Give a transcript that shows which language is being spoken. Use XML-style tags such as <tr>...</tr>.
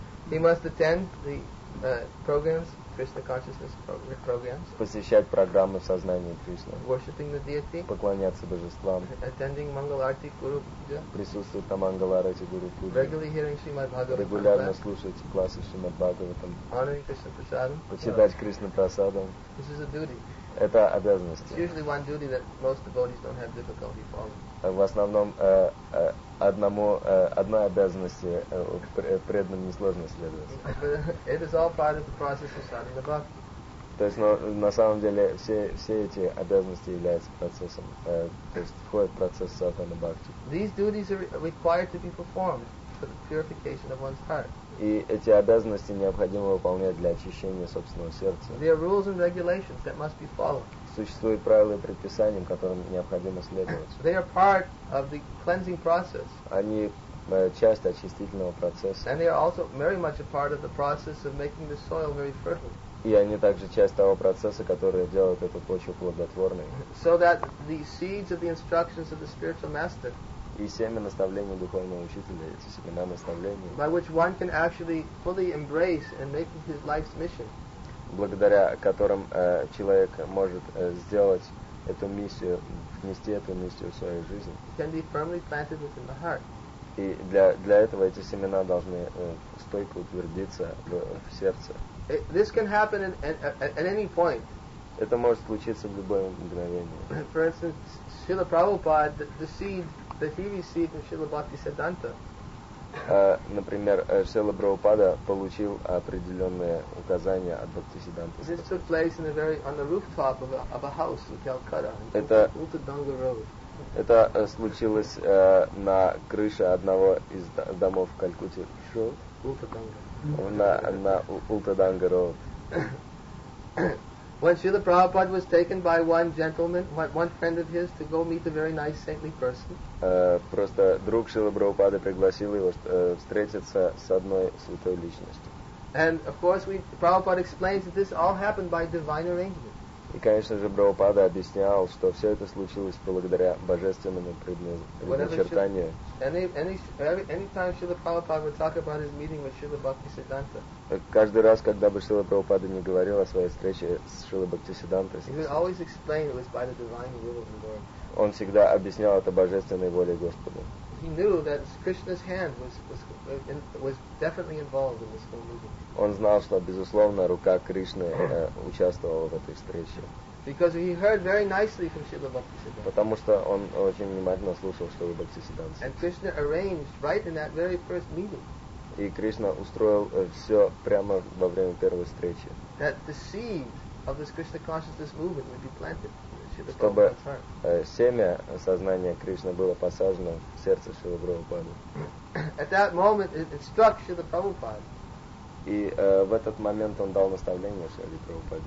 <en>He must attend the programs, Krishna consciousness programs.</en> <ru>Посещать программы в сознании Кришны.</ru> <en>Worshipping the deity.</en> <ru>Поклоняться божествам.</ru> <en>Attending Mangal Arati Guru Puja.</en> <ru>Присутствовать на Mangal Arati Guru Puja.</ru> <en>Regularly hearing Shrimad Bhagavatam.</en> <ru>Регулярно слушать классы Шримад Бхагаватам.</ru> <en>Honoring Krishna Prasadam.</en> <ru>Почитать Кришна Прасадам.</ru> <en>This is a duty.</en> <ru>Это обязанность.</ru> <en>It's usually one duty that most devotees don't have difficulty following.</en> <ru>В основном одной обязанности преданным несложно следовать.</ru> <en>It is all part of the process of starting the bhakti.</en> <ru>То есть на самом деле все эти обязанности являются процессом, то есть входят в процесс сатана бхакти.</ru> <en>These duties are required to be performed for the purification of one's heart.</en> <ru>И эти обязанности необходимо выполнять для очищения собственного сердца.</ru> <en>There are rules and regulations that must be followed.</en> <ru>Существуют правила и предписания, которым необходимо следовать.</ru> <en>They are part of the cleansing process.</en> <ru>Они часть очистительного процесса.</ru> <en>And they are also very much a part of the process of making the soil very fertile.</en> <ru>И они также часть того процесса, который делает эту почву плодотворной.</ru> <en>So that the seeds of the instructions of the spiritual master.</en> <ru>И семя наставления духовного учителя, эти семена наставления.</ru> <en>By which one can actually fully embrace and make his life's mission.</en> <ru>Благодаря которым человек может сделать эту миссию, внести эту миссию в свою жизнь.</ru> <en>Can be firmly planted within the heart.</en> <ru>И для этого эти семена должны стойко утвердиться в сердце.</ru> <en>This can happen at any point.</en> <ru>Это может случиться в любое мгновение.</ru> <en>For instance, Srila Prabhupada, the seed that he received in Srila Bhakti Siddhanta.</en> <ru>Например, Srila Prabhupada получил определенные указания от Бхакти Сидданты.</ru> <en>This took place in on the rooftop of a house in Calcutta.</en> <ru>Это</ru> <en>Uttadanga Road.</en> <ru>Это случилось на крыше одного из домов в Калькутте. Что? Uttadanga. На Uttadanga Road.</ru> <en>When Srila Prabhupada was taken by one gentleman, one friend of his, to go meet a very nice saintly person.</en> <ru>Просто друг Шрилы Прабхупады пригласил его встретиться с одной святой личностью.</ru> <en>And of course, Prabhupada explains that this all happened by divine arrangement.</en> <ru>И, конечно же, Прабхупада объяснял, что все это случилось благодаря божественному предначертанию.</ru> <en>Anytime Srila Prabhupada would talk about his meeting with Srila Bhaktisiddhanta,</en> <ru>каждый раз, когда бы Шрила Прабхупада не говорил о своей встрече с Шрила Бхактисиддхантой,</ru> <en>he would always explain it was by the divine will of the Lord.</en> <ru>Он всегда объяснял это божественной волей Господа.</ru> <en>He knew that Krishna's hand was definitely involved in this whole meeting.</en> <ru>Он знал, что безусловно рука Кришны участвовала в этой встрече.</ru> <en>Because he heard very nicely from Srila Bhaktisiddhanta.</en> <ru>Потому что он очень внимательно слушал Шрилу Бхактисиддханту.</ru> <en>And Krishna arranged right in that very first meeting.</en> <ru>И Кришна устроил все прямо во время первой встречи.</ru> <en>That the seed of this Krishna consciousness movement would be planted.</en> <ru>Чтобы семя сознания Кришны было посажено в сердце Шрилы Прабхупады.</ru> <en>At that moment it struck Srila Prabhupada.</en> <ru>И в этот момент он дал наставление Шриле Прабхупаде.</ru>